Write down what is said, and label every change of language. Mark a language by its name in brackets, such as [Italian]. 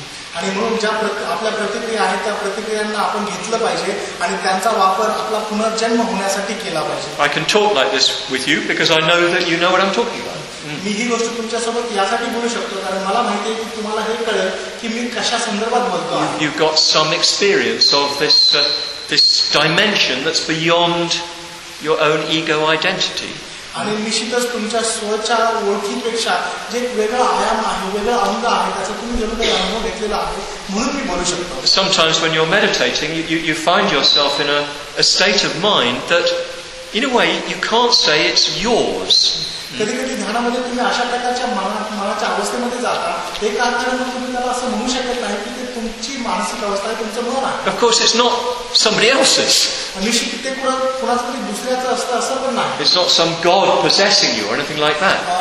[Marathi] आणि म्हणून ज्या आपल्या प्रतिक्रिया आहेत त्या प्रतिक्रियांना आपण घेतलं पाहिजे आणि त्यांचा वापर आपला पुनर्जन्म होण्यासाठी केला पाहिजे. [English] I can talk like this with you because I know that you know what I'm talking about. [Marathi] मी ही गोष्ट तुमच्यासोबत यासाठी बोलू शकतो कारण मला माहिती आहे की तुम्हाला हे कळेल की मी कशा संदर्भात बोलतो. [English] You've got some experience of this dimension that's beyond your own ego identity. [Marathi] आणि निश्चितच तुमच्या स्वच्या ओळखीपेक्षा जे वेगळा आयाम आहे, वेगळं अंग आहे, त्याचा तुम्ही जेव्हा काही अनुभव घेतलेला आहे म्हणून मी म्हणू शकतो. [English] Sometimes when you're meditating, you find yourself in a state of mind that, in a way, you can't say it's yours. [Marathi] कधी कधी ध्यानामध्ये तुम्ही अशा प्रकारच्या मनाच्या अवस्थेमध्ये जाता, हे कारण तुम्ही त्याला असं म्हणू शकत नाही की ते तुमची मानसिक अवस्था आहे, तुमचं मन आहे. [English] Of course, it's not somebody else's. It's not some god possessing you or anything like that.